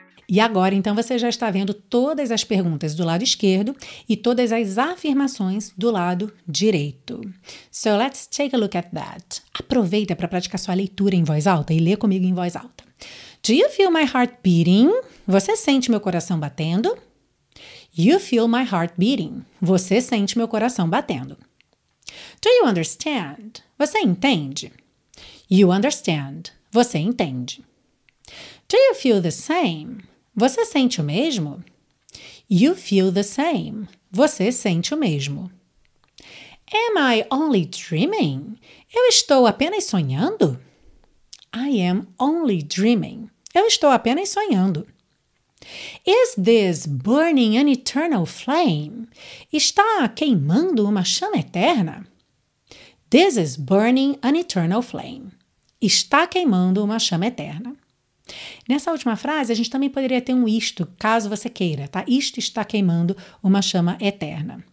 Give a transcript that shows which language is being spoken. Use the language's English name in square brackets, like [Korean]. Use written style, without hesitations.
[Portuguese] E agora, então, você já está vendo todas as perguntas do lado esquerdo e todas as afirmações do lado direito. [English] So, let's take a look at that. [Portuguese] Aproveita para praticar sua leitura em voz alta e lê comigo em voz alta. [English] Do you feel my heart beating? [Portuguese] Você sente meu coração batendo? [English] You feel my heart beating. [Portuguese] Você sente meu coração batendo. [English] Do you understand? [Portuguese] Você entende? [English] You understand. [Portuguese] Você entende. [English] Do you feel the same? [Portuguese] Você sente o mesmo? [English] You feel the same. [Portuguese] Você sente o mesmo. [English] Am I only dreaming? [Portuguese] Eu estou apenas sonhando? [English] I am only dreaming. [Portuguese] Eu estou apenas sonhando. [English] Is this burning an eternal flame? [Portuguese] Está queimando uma chama eterna? [English] This is burning an eternal flame. [Portuguese] Está queimando uma chama eterna. Nessa última frase, a gente também poderia ter um isto, caso você queira, tá? Isto está queimando uma chama eterna.